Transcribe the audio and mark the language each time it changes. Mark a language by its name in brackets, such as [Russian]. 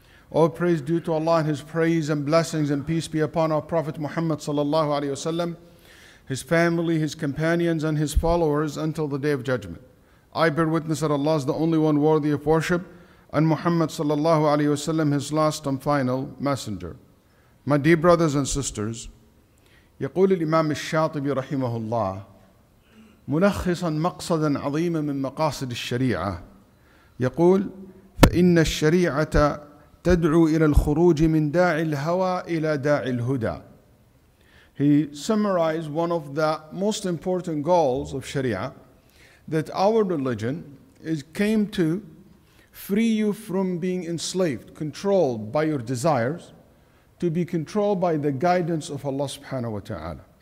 [English] All praise due to Allah and His praise and blessings and peace be upon our Prophet Muhammad sallallahu alaihi wasallam, his family, his companions, and his followers until the Day of Judgment. I bear witness that Allah is the only one worthy of worship, and Muhammad sallallahu alayhi wa sallam, his last and final messenger. My dear brothers and sisters, [Arabic] يقول الإمام الشاطبي رحمه الله ملخصا مقصدا عظيما من مقاصد الشريعة يقول فإن الشريعة تدعو إلى الخروج من داعي الهوى إلى داعي الهدى. [English] He summarized one of the most important goals of Sharia, that our religion is came to free you from being enslaved, controlled by your desires, to be controlled by the guidance of Allah subhanahu wa ta'ala.